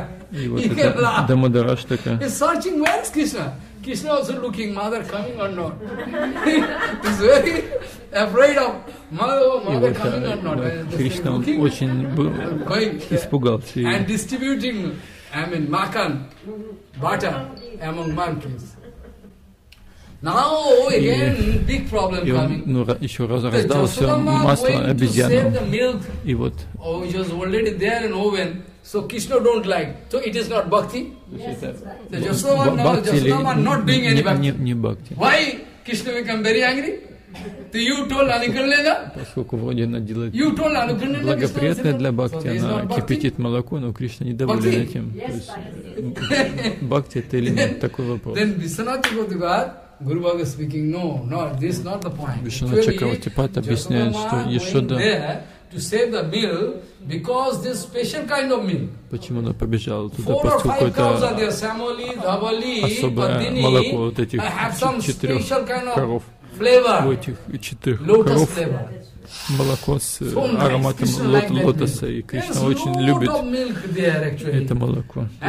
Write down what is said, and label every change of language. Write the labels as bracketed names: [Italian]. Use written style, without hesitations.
[Russian] И вот это Дамодараштака. [English] He's searching, where is Krishna? Krishna also looking, mother coming or not? He's very afraid of mother coming or not. [Russian] Кришна очень испугался. [English] And distributing, I mean, makan, butter among monkeys. Now again, big problem coming. [Russian] Ну, еще раз раздал все масло обезьянам. И вот. [English] Oh, it was already there in oven, so Krishna don't like. So it is not bhakti. Yes, it's bhakti. Bhakti [Russian] или [English] not doing any bhakti? [Russian] Не бхакти. [English] Why Krishna become very angry? Do you told Anukarnika? [Russian] Поскольку вроде она делает. [English] You told Anukarnika. [Russian] Благоприятное для бхакти, она кипятит молоко, но Кришна недоволен этим. Бхакти это или нет, такой вопрос. [English] Then Vishwanatha Gopal. Guru Bhagavad speaking, no, no, this is not the point. [Russian] Vishnu Chakravartipat объясняет, что Яшода [English] to save the meal because this special kind of meal. [Russian] Почему она побежала туда? [English] Four or five cows are there, Samoli, Dhavali, Pandini. [Russian] Вот [English] I have some special kind of [Russian] коров. [English] Flavor. [Russian] У этих четырех коров. Молоко с ароматом лотоса, и Кришна очень любит это молоко.